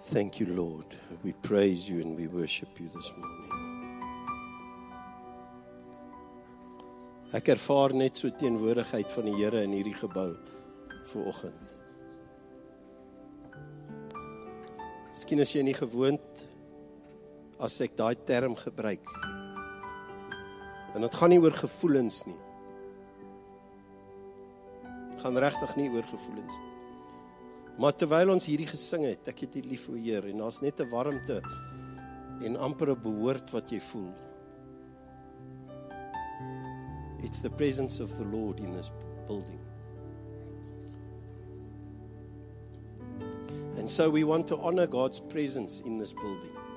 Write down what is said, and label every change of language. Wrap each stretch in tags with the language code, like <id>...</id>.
<en>Praise you and we worship you this morning.</en> <af>Ek ervaar net so teenwoordigheid van die Here in hierdie gebou vanoggend. Miskien is jy nie gewoond as ek daai term gebruik. En dit gaan nie oor gevoelens nie. Dit gaan regtig nie oor gevoelens nie. Maar terwyl ons hierdie gesing het, ek het die lief, o Heer, en daar's net 'n warmte en amper 'n behoort wat jy voel.</af> <en>It's the presence of the Lord in this building. And so we want to honor God's presence in this building.</en>